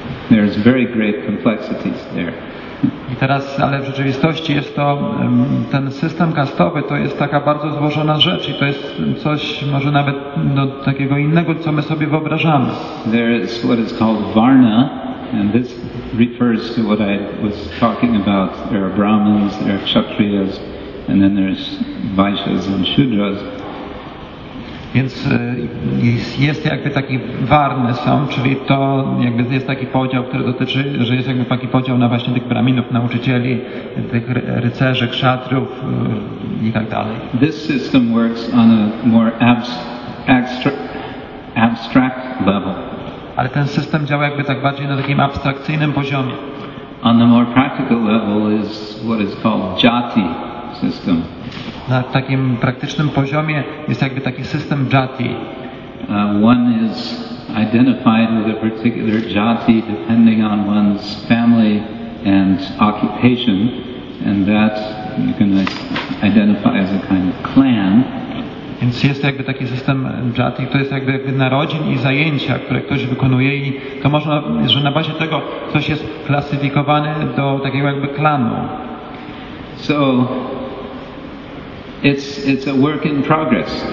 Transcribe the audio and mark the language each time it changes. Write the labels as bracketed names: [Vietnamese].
[English] There's very great complexities there. [Polish] I teraz, ale w rzeczywistości jest to, ten system kastowy to jest taka bardzo złożona rzecz i to jest coś może nawet do takiego innego, co my sobie wyobrażamy. [English] There is what is called Varna, and this refers to what I was talking about. There are Brahmins, there are Kshatriyas, and then there's Vaishyas and Shudras. [Polish] Więc jest jakby taki warny są, czyli to jakby jest taki podział, który dotyczy, że jest jakby taki podział na właśnie tych braminów, nauczycieli, tych rycerzy, kszatrów i tak dalej. [English] This system works on a more abstract level. [Polish] Ale ten system działa jakby tak bardziej na takim abstrakcyjnym poziomie. [English] On a more practical level is what is called jati system. [Polish] Na takim praktycznym poziomie jest jakby taki system jati. [English] One is identified with a particular jati depending on one's family and occupation, and that you can identify as a kind of clan. [Polish] Więc jest jakby taki system jati, to jest jakby narodzin i zajęcia, które ktoś wykonuje, i to można, że na bazie tego ktoś jest klasyfikowany do takiego jakby klanu. [English] So it's a work in progress.